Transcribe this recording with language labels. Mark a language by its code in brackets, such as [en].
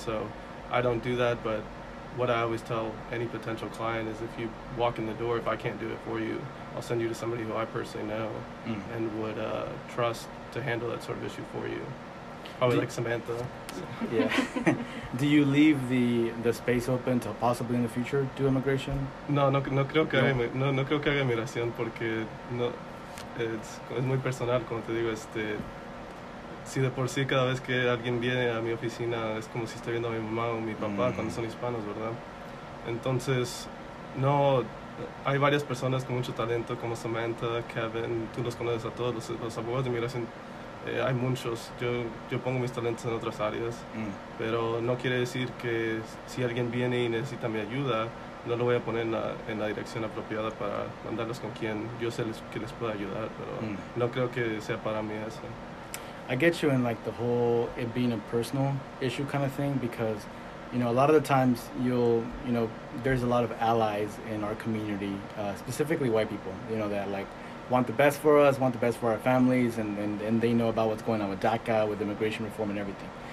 [en] So I don't do that. But what I always tell any potential client is, if you walk in the door, if I can't do it for you, I'll send you to somebody who I personally know and would trust to handle that sort of issue for you. Probably like Samantha. Yeah. Do you leave the space open to possibly in the future do immigration? [es] No, creo que haga inmigración porque no es muy personal, como te digo, si de por sí cada vez que alguien viene a mi oficina es como si estoy viendo a mi mamá o mi papá cuando son hispanos, ¿verdad? Entonces, no, hay varias personas con mucho talento como Samantha, Kevin, tú los conoces a todos, los abogados de inmigración, hay muchos, yo pongo mis talentos en otras áreas, pero no quiere decir que si alguien viene y necesita mi ayuda, no lo voy a poner en la dirección apropiada para mandarlos con quien yo sé que les pueda ayudar, pero no creo que sea para mí eso. [en] I get you in like the whole it being a personal issue kind of thing, because you know a lot of the times you know there's a lot of allies in our community, specifically white people, you know, that like want the best for us, want the best for our families, and they know about what's going on with DACA, with immigration reform and everything.